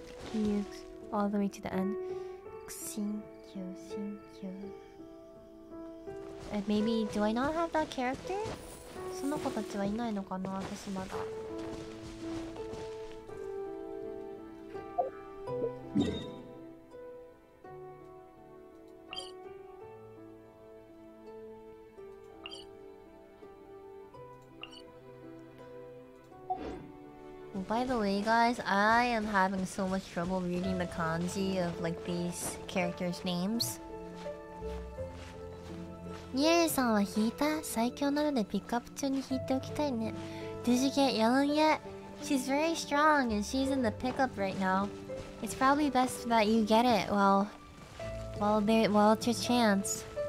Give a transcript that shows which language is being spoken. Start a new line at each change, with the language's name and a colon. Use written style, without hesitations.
English: Can you all the way to the end? Thank you, thank you. And maybe do I not have that character?
Japanese: その子たちはいないのかな、私まだ。
English: By the way, guys, I am having so much trouble reading the kanji of like these characters' names.
Japanese: Yeah, さんは引いた。最強なのでピックアップ中に引いておきたいね。
English: Did you get Yelun yet? She's very strong and she's in the pickup right now. It's probably best that you get it while it's your chance.